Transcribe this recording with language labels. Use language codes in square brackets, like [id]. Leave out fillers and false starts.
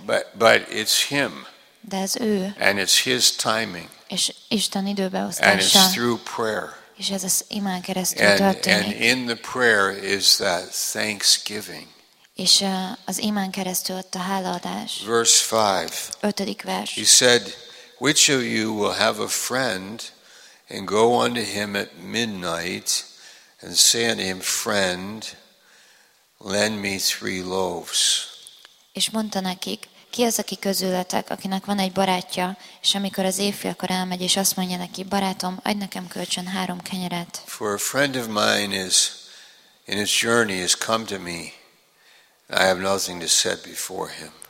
[en] But it's Him. [hu] De ez ő. [en] And it's His timing. [hu] És Isten időbeosztása. [en] And it's through prayer. [hu] És ez az imán keresztül történik. [en] And in the prayer is that thanksgiving. [hu] És az imán keresztül ott a hálaadás. [en] Verse 5. [hu] Ötödik vers. [en] He said, "Which of you will have a friend?" And go unto him at midnight and say unto him, friend, lend me 3 loaves. [hu] És mondta nekik, ki az, aki közületek, akinek van egy barátja, és amikor az éjfélkor elmegy, és azt mondja neki, barátom, adj nekem kölcsön 3 kenyeret. [en] For a friend of mine is in his journey has come to me, and I have nothing to set before him.